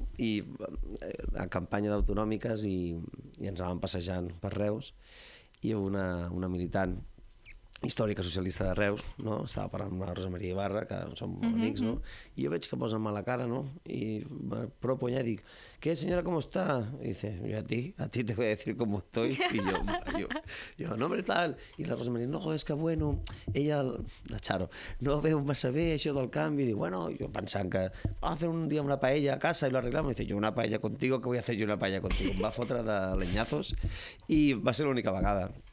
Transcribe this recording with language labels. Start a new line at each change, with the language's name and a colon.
Catalan: I a campanya d'autonòmiques i ens van passejant per Reus i una militant històrica socialista de Reus, no? Estava parlant amb la Rosa Maria Ibarra, que som molt amics, no? I jo veig que posa mala cara, no? I m'apropo allà i dic,
Spanish: ¿qué, senyora, cómo está? I dice, yo a ti te voy a decir cómo estoy.
Catalan: I jo, no,
Spanish: hombre,
Catalan: tal. I la Rosa Maria, no, és que bueno, ella, la Charo, no veu massa bé això del canvi. I dic, bueno, jo pensant que va fer un dia una paella a casa i
Spanish: lo arreglamos.
Catalan: I
Spanish: dice, yo una paella contigo,
Catalan: que voy a hacer yo una paella contigo? Em va fotre de leñazos i va ser l'única vegada.